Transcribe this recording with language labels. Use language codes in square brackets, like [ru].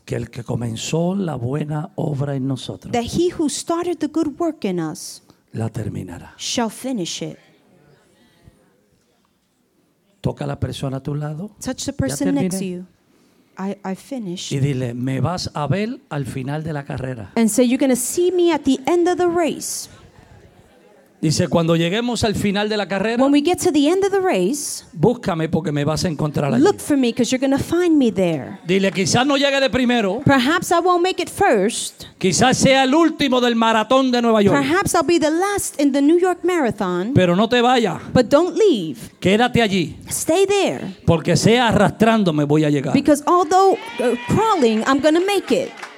[es] que el que comenzó la buena obra en nosotros, [en] that he who started the good work in us, [es] la terminará. [en] Shall finish it. [es] Toca a la persona a tu lado. [en] Touch the person next to you. I finished. [es] Y dile, me vas a ver al final de la carrera. [en] And say, you're going to see me at the end of the race. [es] Dice, cuando lleguemos al final de la carrera, [en] when we get to the end of the race, [es] búscame porque me vas a encontrar allí. [en] Look for me because you're going to find me there. [es] Dile, quizás no llegue de primero. [en] Perhaps I won't make it first. [es] Quizás sea el último del maratón de Nueva York. [en] Perhaps I'll be the last in the New York Marathon. [es] Pero no te vaya. [en] But don't leave. [es] Quédate allí. [en] Stay there. [es] Porque sea arrastrándome voy a llegar. [en] Because although crawling, I'm going to make it.